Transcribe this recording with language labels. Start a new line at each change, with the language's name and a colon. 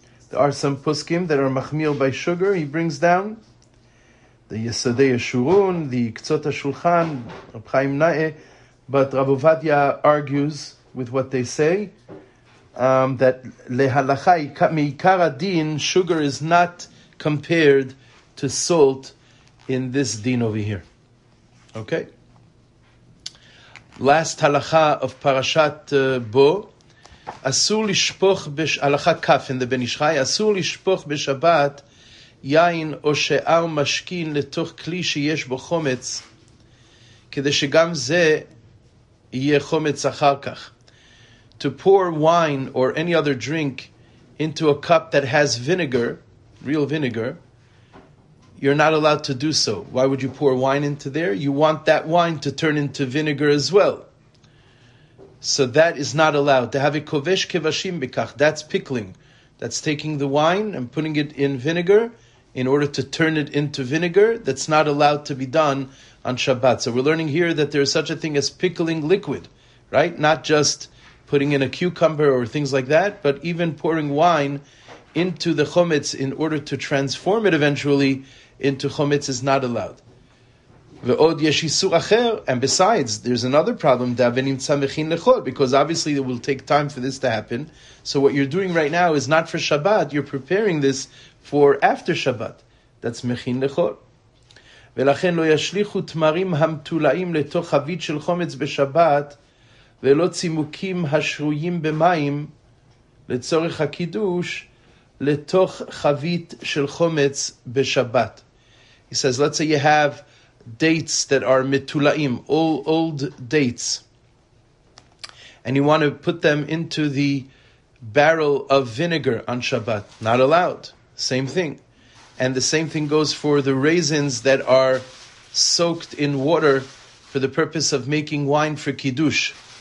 English: There are some puskim that are machmir by sugar. He brings down the Yesodei Yeshurun, the Ktzot HaShulchan, Rav Chaim Na'e, but Rav Ovadia argues with what they say, that
Hebrew: lehalacha meikar adin,
English: sugar is not compared to salt in this din over here. Okay? Last halacha of Parashat Bo,
Hebrew: אסור לשפוך בהלכה כף in the בן ישחי, אסור לשפוך בשבת יין או שאר משקין לתוך כלי שיש בו חומץ, כדי שגם זה יהיה חומץ אחר כך.
English: To pour wine or any other drink into a cup that has vinegar, real vinegar, you're not allowed to do so. Why would you pour wine into there? You want that wine to turn into vinegar as well. So that is not allowed. To have a kovesh kevashim bikach, that's pickling. That's taking the wine and putting it in vinegar in order to turn it into vinegar. That's not allowed to be done on Shabbat. So we're learning here that there is such a thing as pickling liquid, right? Not just putting in a cucumber or things like that, but even pouring wine into the chometz in order to transform it eventually into chometz is not allowed.
Hebrew: Ve'od yesh isur acher.
English: And besides, there's another problem,
Hebrew: davenim tzamechin lechol,
English: because obviously it will take time for this to happen. So what you're doing right now is not for Shabbat, you're preparing this for after Shabbat. That's mechin lechol.
Hebrew: Ve'lachen lo yashlichu tmarim hamtulaim letoch havit shel chometz b'Shabbat, ולא צימוקים השרויים במים לצורך הקידוש לתוך חבית של חומץ בשבת.
English: He says, let's say you have dates that are metulaim, old dates, and you want to put them into the barrel of vinegar on Shabbat. Not allowed. Same thing. And the same thing goes for the raisins that are soaked in water for the purpose of making wine for kiddush.